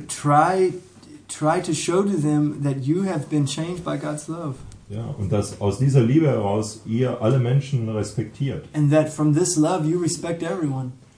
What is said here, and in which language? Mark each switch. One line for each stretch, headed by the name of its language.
English: But try to show to them that you have been changed by God's love.
German: Ja, und dass aus dieser Liebe heraus ihr alle Menschen respektiert.
English: And that from this love you respect everyone.